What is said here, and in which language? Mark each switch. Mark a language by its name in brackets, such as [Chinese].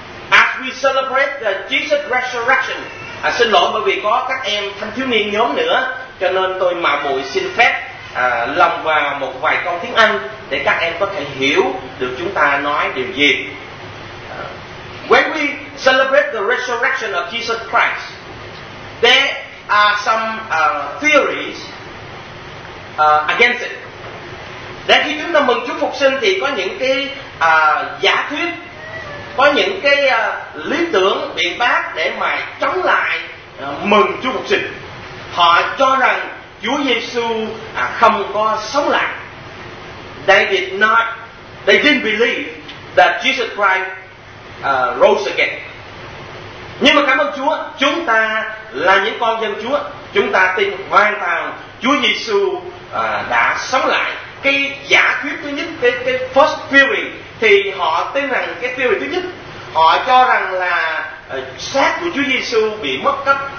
[English] As we celebrate the Jesus resurrection, [Vietnamese] xin lỗi bởi vì có các em thanh thiếu niên nhóm nữa, cho nên tôi mạo muội xin phép lồng vào một vài câu tiếng Anh để các em có thể hiểu được chúng ta nói điều gì. [English] When we celebrate the resurrection of Jesus Christ, there are some theories against it. [Vietnamese] Để khi chúng ta mừng Chúa phục sinh thì có những cái giả thuyết, có những cái lý tưởng, biện pháp để mà chống lại mừng Chúa phục sinh. Họ cho rằng Chúa Giêsu không có sống lại. [English] They didn't believe that Jesus Christ rose again. [Vietnamese] Nhưng mà cảm ơn Chúa, chúng ta là những con dân Chúa, chúng ta tin hoàn toàn Chúa Giêsu đã sống lại. Cái giả thuyết thứ nhất, cái [English] first theory, [Vietnamese] thì họ tin rằng cái theory thứ nhất, họ cho rằng là xác của Chúa Giêsu bị mất cấp.